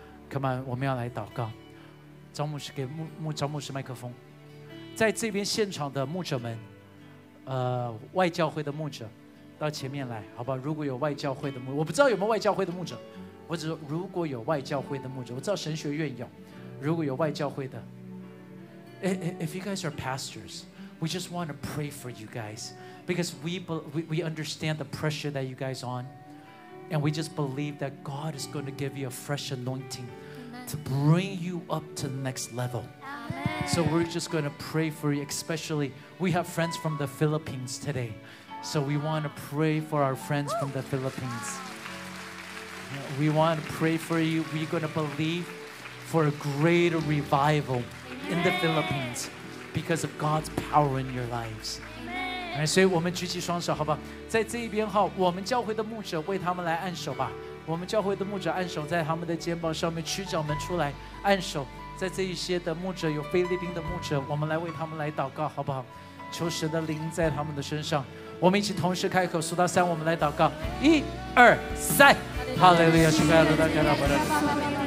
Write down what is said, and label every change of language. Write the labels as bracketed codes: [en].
[en] Come on， [zh] 我们要来祷告。张牧师给张牧师麦克风，在这边现场的牧者们，外教会的牧者到前面来，好吧？如果有外教会的牧，我不知道有没有外教会的牧者，我只说如果有外教会的牧者，我知道神学院有。如果有外教会的， [en] If you guys are pastors, we just want to pray for you guys because we understand the pressure that you guys on, and we just believe that God is going to give you a fresh anointing to bring you up to the next level. So we're just going to pray for you. Especially, we have friends from the Philippines today, so we want to pray for our friends from the Philippines. We want to pray for you. We're going to believe for a greater revival in the Philippines because of God's power in your lives. Amen. [zh] 所以我们举起双手，好吧，在这一边哈，我们教会的牧者为他们来按手吧。我们教会的牧者按手在他们的肩膀上面，区长们出来按手，在这一些的牧者，有菲律宾的牧者，我们来为他们来祷告，好不好？求神的灵在他们的身上。我们一起同时开口，数到三，我们来祷告，一二三，哈利路亚，主啊，主啊，主啊，主啊。